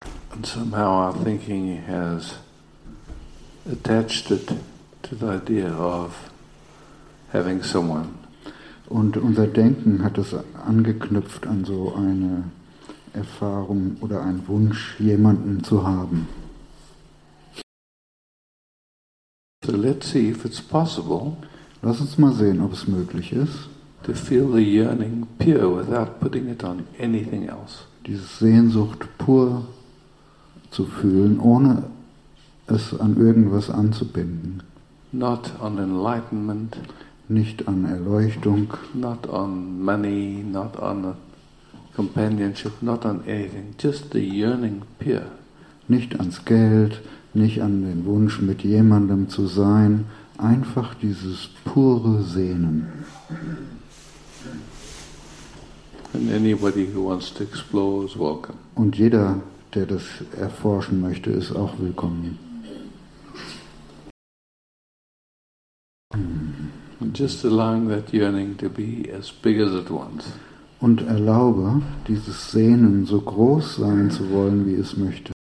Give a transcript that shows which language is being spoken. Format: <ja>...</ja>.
<en>And somehow our thinking has attached it to the idea of having someone.</en> <de>Und unser Denken hat es angeknüpft an so eine Erfahrung oder einen Wunsch, jemanden zu haben.</de> <en>So let's see if it's possible.</en> <de>Lass uns mal sehen, ob es möglich ist.</de> <en>To feel the yearning pure without putting it on anything else.</en> <de>Diese Sehnsucht pur zu fühlen, ohne es an irgendwas anzubinden.</de> <en>Not on enlightenment.</en> <de>Nicht an Erleuchtung.</de> <en>Not on money, not on companionship, not on anything. Just the yearning pure.</en> <de>Nicht ans Geld, nicht an den Wunsch, mit jemandem zu sein. Einfach dieses pure Sehnen.</de> <en>And anybody who wants to explore is welcome.</en> <de>Und jeder, der das erforschen möchte, ist auch willkommen.</de> <en>Just allowing that yearning to be as big as it wants.</en> <de>Und erlaube, dieses Sehnen so groß sein zu wollen, wie es möchte.</de>